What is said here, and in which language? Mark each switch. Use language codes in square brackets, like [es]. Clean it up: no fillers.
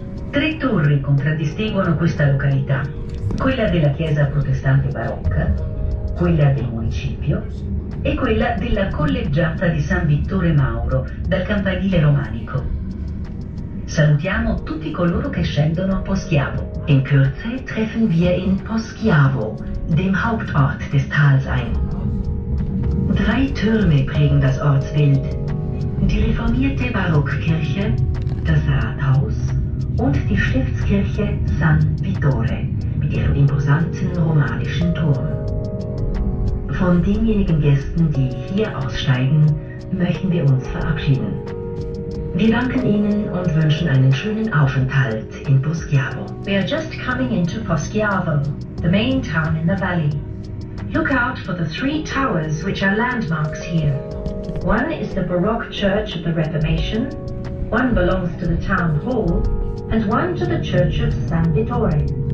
[it] Tre torri contraddistinguono questa località: quella della chiesa protestante barocca, quella del municipio e quella della collegiata di San Vittore Mauro dal campanile romanico. Salutiamo tutti coloro che scendono a Poschiavo. [de] In Kürze treffen wir in Poschiavo, dem Hauptort des Tals, ein. Drei Türme prägen das Ortsbild: die reformierte Barockkirche, das Rathaus und die Stiftskirche San Vittore mit ihrem imposanten romanischen Turm. Von denjenigen Gästen, die hier aussteigen, möchten wir uns verabschieden. Wir danken Ihnen und wünschen einen schönen Aufenthalt in Poschiavo. [en] We are just coming into Poschiavo, the main town in the valley. Look out for the three towers which are landmarks here. One is the Baroque Church of the Reformation, one belongs to the town hall, and one to the Church of San Vittore.